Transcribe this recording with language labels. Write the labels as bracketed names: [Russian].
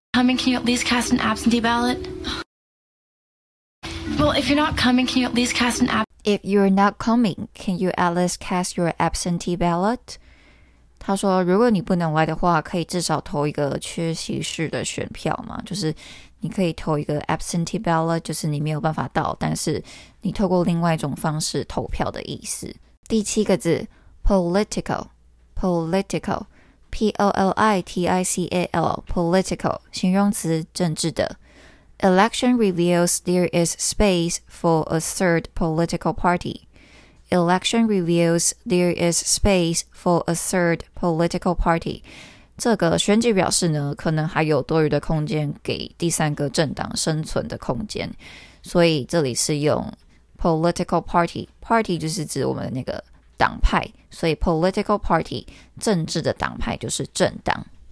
[English] How many can you at least cast an absentee ballot? Well, if you're not coming, can you at least cast an If you're not coming, can you at least cast your absentee ballot? [Chinese] 他说，如果你不能来的话，可以至少投一个缺席式的选票嘛，就是你可以投一个 absentee ballot, 就是你没有办法到，但是你透过另外一种方式投票的意思。第七个字 ,political, political, P-O-L-I-T-I-C-A-L, political, 形容词政治的。 [English] Election reveals there is space for a third political party. Election reveals there is space for a third political party. [Chinese] 这个选举表示呢，可能还有多余的空间给第三个政党生存的空间。所以这里是用 political party. Party 就是指我们的那个党派。所以 political party, 政治的党派就是政党。